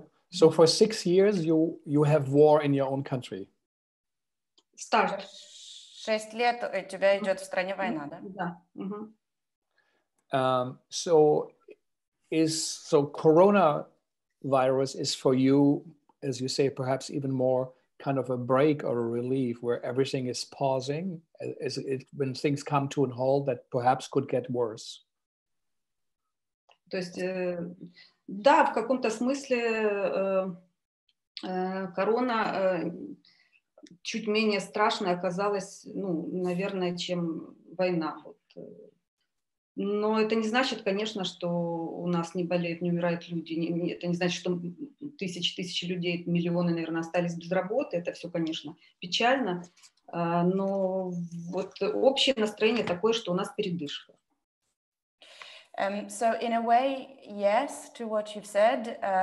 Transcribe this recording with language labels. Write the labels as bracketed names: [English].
[English] So for 6 years, you have war in your own country. Start. [Russian] 6 лет у тебя идет в стране война, да? Да. [English] So coronavirus is for you, as you say, perhaps even more kind of a break or a relief where everything is pausing, as it, when things come to a halt that perhaps could get worse. [Russian] То есть, да, в каком-то смысле корона чуть менее страшной оказалась, ну, наверное, чем война. Вот. Но это не значит, конечно, что у нас не болеют, не умирают люди. Это не значит, что тысячи людей, миллионы, наверное, остались без работы. Это все, конечно, печально. Но вот общее настроение такое, что у нас передышка. [English] So in a way, yes, to what you've said.